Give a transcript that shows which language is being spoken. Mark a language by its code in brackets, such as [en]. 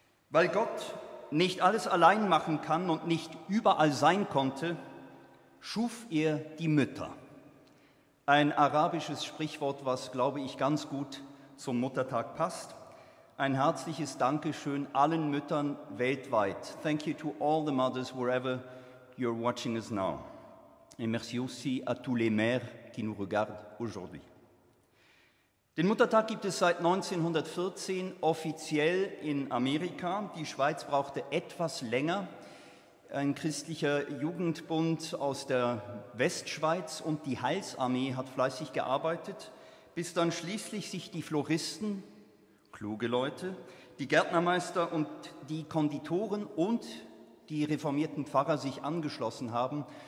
[de] Weil Gott nicht alles allein machen kann und nicht überall sein konnte, schuf er die Mütter. Ein arabisches Sprichwort, was, glaube ich, ganz gut zum Muttertag passt. Ein herzliches Dankeschön allen Müttern weltweit. [en] Thank you to all the mothers wherever you're watching us now. [fr] Et merci aussi à tous les mères qui nous regardent aujourd'hui. [de] Den Muttertag gibt es seit 1914 offiziell in Amerika. Die Schweiz brauchte etwas länger. Ein christlicher Jugendbund aus der Westschweiz und die Heilsarmee hat fleißig gearbeitet, bis dann schließlich sich die Floristen, kluge Leute, die Gärtnermeister und die Konditoren und die reformierten Pfarrer sich angeschlossen haben.